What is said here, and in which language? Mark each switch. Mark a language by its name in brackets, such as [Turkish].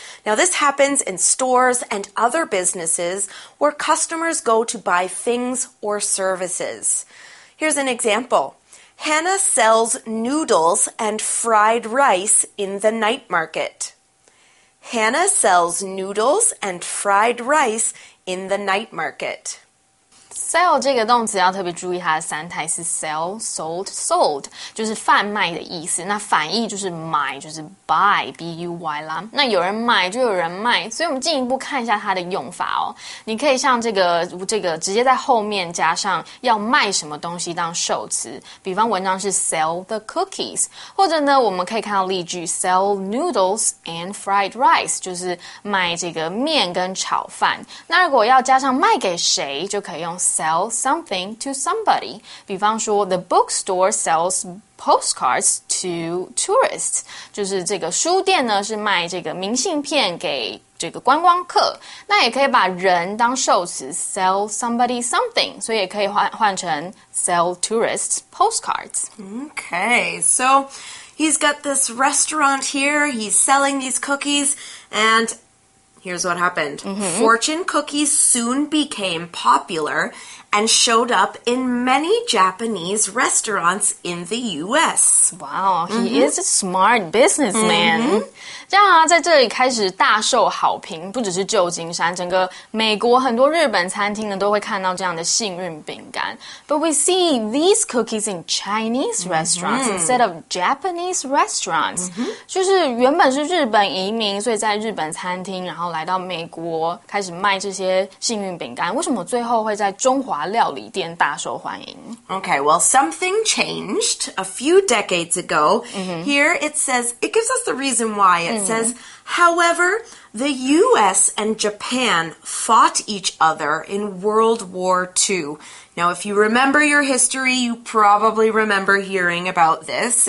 [English] Now, this happens in stores and other businesses where customers go to buy things or services. Here's an example. Hannah sells noodles and fried rice in the night market. Hannah sells noodles and fried rice in the night market. [Chinese] Sell 这个动词要特别注意它的三态是 [English] sell, sold, sold, [Chinese] 就是贩卖的意思。那反义就是买，就是 [English] buy, B-U-Y [Chinese] 啦。那有人买就有人卖，所以我们进一步看一下它的用法哦。你可以像这个直接在后面加上要卖什么东西当受词，比方文章是 [English] sell the cookies, [Chinese] 或者呢我们可以看到例句 [English] sell noodles and fried rice, [Chinese] 就是卖这个面跟炒饭。那如果要加上卖给谁，就可以用 [English] sell something to somebody. [Chinese] 比方说 [English] the bookstore sells postcards to tourists. [Chinese] 就是这个书店呢是卖这个明信片给这个观光客。那也可以把人当受词 [English] sell somebody something. [Chinese] 所以也可以换成 [English] sell tourists postcards. Okay, so he's got this restaurant here. He's selling these cookies andHere's what happened. Mm-hmm. Fortune cookies soon became popular and showed up in many Japanese restaurants in the U.S. Wow, he mm-hmm. is a smart businessman. Mm-hmm. [Chinese] 这样啊，在这里开始大受好评，不只是旧金山，整个美国很多日本餐厅呢都会看到这样的幸运饼干。 [English] But we see these cookies in Chinese restaurants、mm-hmm. instead of Japanese restaurants.、Mm-hmm. [Chinese] 就是原本是日本移民，所以在日本餐厅，然后来到美国开始卖这些幸运饼干。为什么最后会在中华料理店大受欢迎？ [English] Okay, well, something changed a few decades ago.、Mm-hmm. Here it says, it gives us the reason why. It、mm-hmm. says, however, the U.S. and Japan fought each other in World War II. Now, if you remember your history, you probably remember hearing about this.